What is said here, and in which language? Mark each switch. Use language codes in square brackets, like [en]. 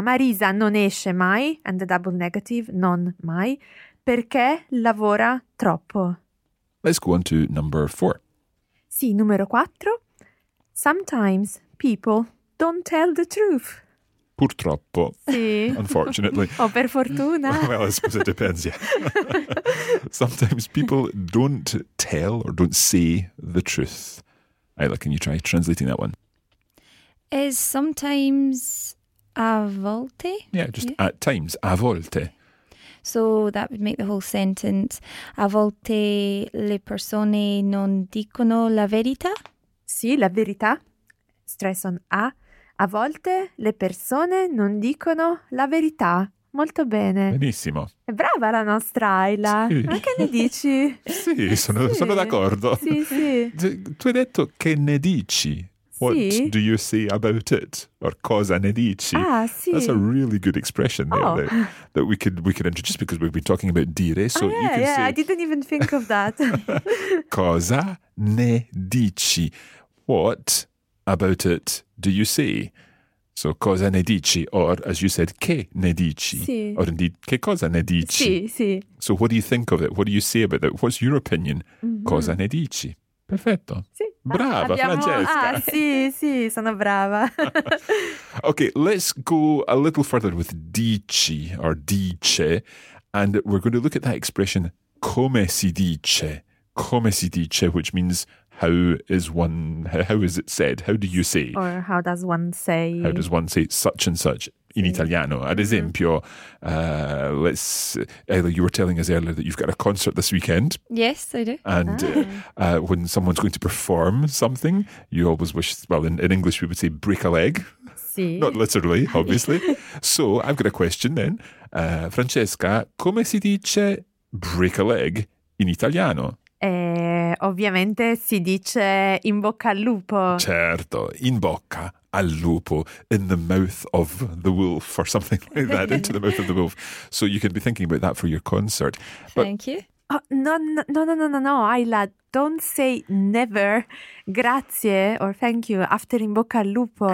[it] Marisa non esce mai, [en] and the double negative, [it] non mai, perché lavora troppo. [en] Let's go on to number four. [it] Sì, numero quattro. [en] Sometimes people don't tell the truth. [it] Purtroppo, sì. [en] Unfortunately. [it] O per fortuna. [en] Well, I suppose it depends, yeah. Sometimes people don't tell or don't say the truth. Ayla, can you try translating that one? Is sometimes a volte? Yeah, just at times, a volte. So that would make the whole sentence. [it] A volte le persone non dicono la verità? Sì, la verità. Stress on a. A volte le persone non dicono la verità. Molto bene. Benissimo. È brava la nostra Ayla. Sì. Ma che ne dici? Sì, sono d'accordo. Sì, sì. Tu hai detto che ne dici? [en] What do you say about it? [it] Or cosa ne dici? Ah, sì. [en] That's a really good expression there that we could introduce because we've been talking about dire. So you can say, I didn't even think of that. [it] Cosa ne dici? [en] What about it? Do you say? [it] So, cosa ne dici? [en] Or, as you said, [it] che ne dici? Sì. [en] Or indeed, [it] che cosa ne dici? Sì, sì. [en] So, what do you think of it? What do you say about it? What's your opinion? Mm-hmm. [it] Cosa ne dici? Perfetto. Sì. Brava, Francesca. Ah, sì, sì, sono brava. [en] Okay, let's go a little further with dici or dice, and we're going to look at that expression come si dice, which means how is it said? How do you say? Or how does one say? How does one say such and such? [it] In Italiano, ad esempio, [en] Ella, you were telling us earlier that you've got a concert this weekend. Yes, I do. And when someone's going to perform something, you always wish, well, in English we would say break a leg. Sì. Not literally, obviously. So I've got a question then. [it] Francesca, come si dice [en] break a leg [it] in Italiano? Ovviamente si dice in bocca al lupo. [en] Certo, [it] in bocca al lupo, [en] in the mouth of the wolf or something like that, into the mouth of the wolf. So you could be thinking about that for your concert. Thank you. Oh, no, Ayla, don't say never grazie or thank you after [it] in bocca al lupo.